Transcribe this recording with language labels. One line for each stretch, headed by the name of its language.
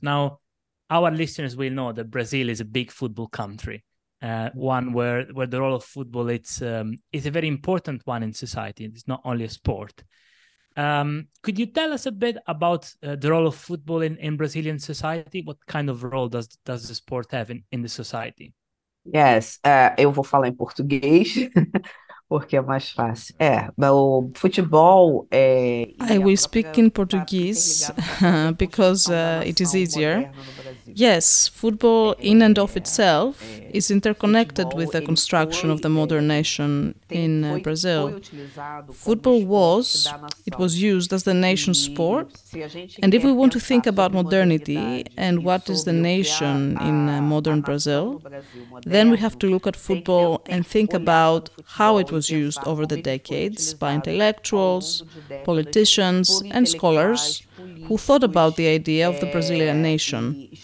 English: Now, our listeners will know that Brazil is a big football country, one where the role of football is a very important one in society. It's not only a sport. Could you tell us a bit about the role of football in Brazilian society? What kind of role does the sport have in the society?
Portuguese: Yes, eu vou falar em português porque é mais fácil. É, mas o futebol é.
English: I will speak in Portuguese because it is easier. Yes, football in and of itself is interconnected with the construction of the modern nation in Brazil. Football was used as the nation's sport, and if we want to think about modernity and what is the nation in modern Brazil, then we have to look at football and think about how it was used over the decades by intellectuals, politicians, and scholars who thought about the idea of the Brazilian nation.